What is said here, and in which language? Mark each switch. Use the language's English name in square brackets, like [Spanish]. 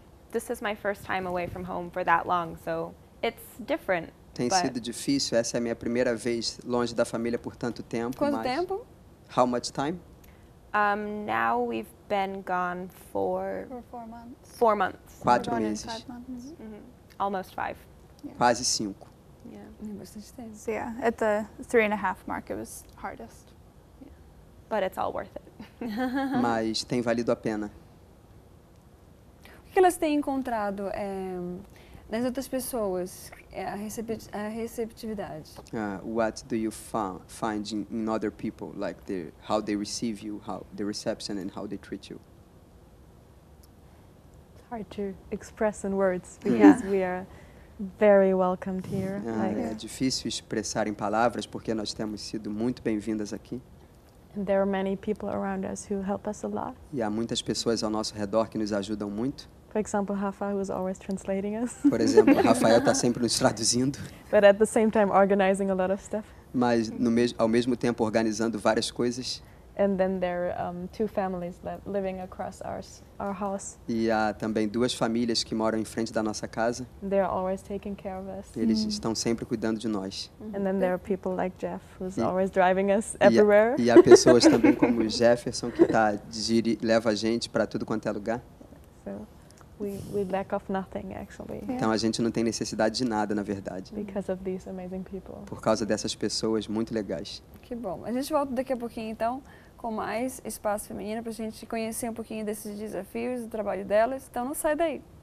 [English] This is my first time away from home for that long, so it's different. [Portuguese] Tem sido difícil. Essa é a minha primeira vez longe da família por tanto tempo. Quanto tempo? [English] How much time? Now we've been gone for 4 months. 4 months. [Portuguese] Quatro meses. [English] 5 months. Mm-hmm. Almost five. [Portuguese] Yeah. Quase cinco. [English] Yeah. So yeah, at the 3.5 mark, it was hardest. Yeah. But it's all worth it. [Portuguese] Mas tem valido a pena. O que elas têm encontrado nas outras pessoas, a receptividade? [English] What do you find in other people, like the, how they receive you, how the reception and how they treat you? It's hard to express in words, because we are very welcomed here. [Portuguese] É difícil expressar em palavras, porque nós temos sido muito bem-vindas aqui. [English] And there are many people around us who help us a lot. [Portuguese] E há muitas pessoas ao nosso redor que nos ajudam muito. [English] For example, Rafa, who is always translating us. [Portuguese] Por exemplo, Rafael está sempre nos traduzindo. [English] But at the same time, organizing a lot of stuff. [Portuguese] Mas ao mesmo tempo organizando várias coisas. [English] And then there are two families living across our house. [Portuguese] E há também duas famílias que moram em frente da nossa casa. [English] They are always taking care of us. [Portuguese] Eles estão sempre cuidando de nós. [English] And then there are people like Jeff, who's always driving us everywhere. [Portuguese] E há pessoas também como Jefferson que leva a gente para tudo quanto é lugar. [English] We lack of nothing, actually. [Portuguese] Então a gente não tem necessidade de nada, na verdade. [English] Because of these amazing people. [Portuguese] Por causa dessas pessoas muito legais. Que bom. A gente volta daqui a pouquinho, então, com mais Espaço Feminino, para a gente conhecer um pouquinho desses desafios, do trabalho delas. Então não sai daí.